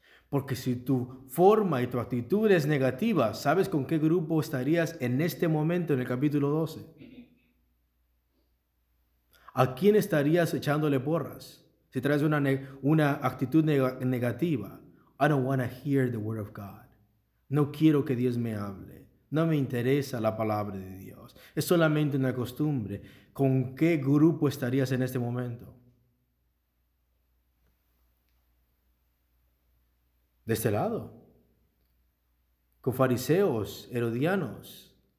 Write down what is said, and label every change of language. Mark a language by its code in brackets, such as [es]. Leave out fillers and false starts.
[es] Porque si tu forma y tu actitud es negativa, ¿sabes con qué grupo estarías en este momento en el capítulo 12? ¿A quién estarías echándole porras si traes una actitud negativa? [en] I don't want to hear the word of God. [es] No quiero que Dios me hable. No me interesa la palabra de Dios. Es solamente una costumbre. ¿Con qué grupo estarías en este momento? De este lado. Con fariseos, herodianos.